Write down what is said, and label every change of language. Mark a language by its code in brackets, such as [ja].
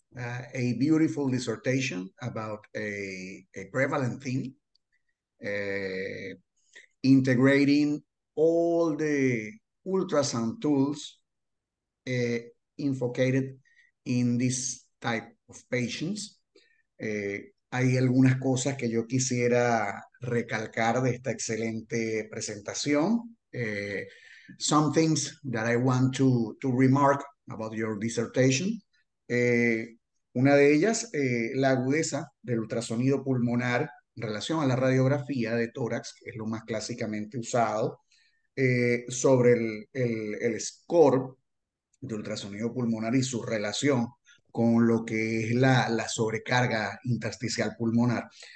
[en] A beautiful dissertation about a prevalent theme, integrating all the ultrasound tools invocated in this type of patients. [es] Hay algunas cosas que yo quisiera recalcar de esta excelente presentación. [en] Some things that I want to remark about your dissertation. [es] Una de ellas, la agudeza del ultrasonido pulmonar en relación a la radiografía de tórax, que es lo más clásicamente usado, sobre el score de ultrasonido pulmonar y su relación con lo que es la sobrecarga intersticial pulmonar.